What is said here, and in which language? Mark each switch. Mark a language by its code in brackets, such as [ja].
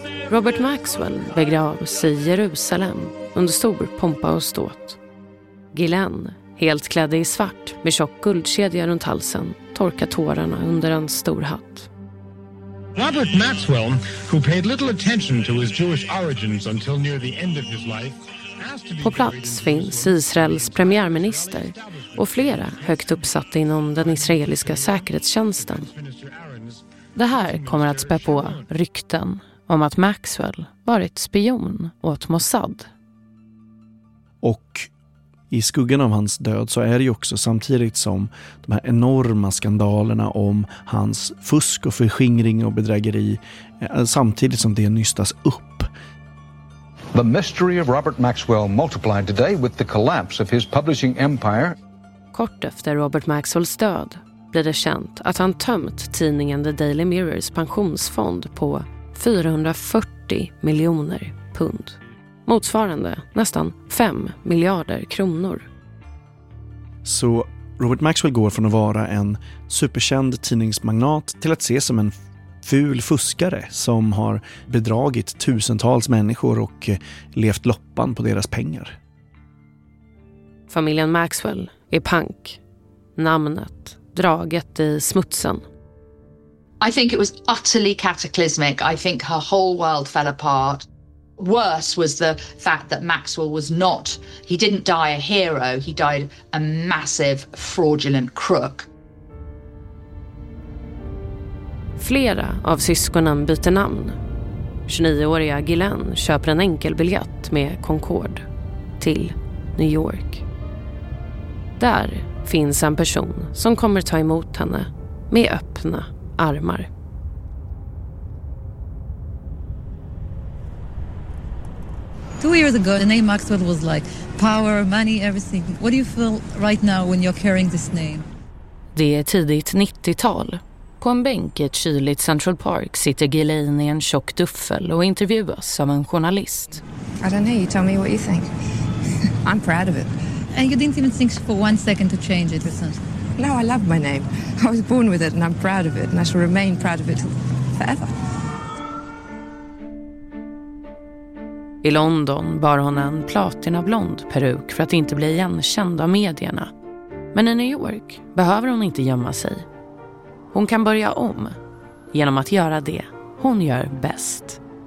[sv] Robert Maxwell begravs i Jerusalem under stor pompa och ståt. Ghislaine, helt klädd i svart med tjock guldkedja runt halsen, torkar tårarna under en stor hatt. [en] Robert Maxwell, who paid little attention to his Jewish origins until near the end of his life, [sv] på plats finns Israels premiärminister och flera högt uppsatta inom den israeliska säkerhetstjänsten. Det här kommer att spä på rykten om att Maxwell varit spion åt Mossad. Och i skuggan av hans död så är det ju också samtidigt som de här enorma skandalerna om hans fusk och förskingring och bedrägeri, samtidigt som det nystas upp. [en] The mystery of Robert Maxwell multiplied today with the collapse of his publishing empire. [sv] Kort efter Robert Maxwells död blev det känt att han tömt tidningen The Daily Mirrors pensionsfond på 440 miljoner pund. Motsvarande nästan 5 miljarder kronor. Så Robert Maxwell går från att vara en superkänd tidningsmagnat till att ses som en ful fuskare som har bedragit tusentals människor och levt loppan på deras pengar. Familjen Maxwell är punk. Namnet draget i smutsen. [en] I think it was utterly cataclysmic. I think her whole world fell apart. Worse was the fact that Maxwell was not, he didn't die a hero, he died a massive fraudulent crook. [sv] Flera av syskonen byter namn. 29-åriga Ghislaine köper en enkel biljett med Concorde till New York. Där finns en person som kommer ta emot henne med öppna armar. [en] Two years ago, the name Maxwell was like power, money, everything. What do you feel right now when you're carrying this name? [sv] Det är tidigt 90-tal. På en bänk i ett kyligt Central Park sitter Ghislaine i en tjock duffel och intervjuas av en journalist. [en] I don't know, you tell me what you think. I'm proud of it. And you didn't even think for one second to change it or something? No, I love my name. I was born with it and I'm proud of it and I shall remain proud of it forever. [sv] I London bar hon en platinablond peruk för att inte bli igenkänd av medierna. Men i New York behöver hon inte gömma sig. Hon kan börja om genom att göra det hon gör bäst.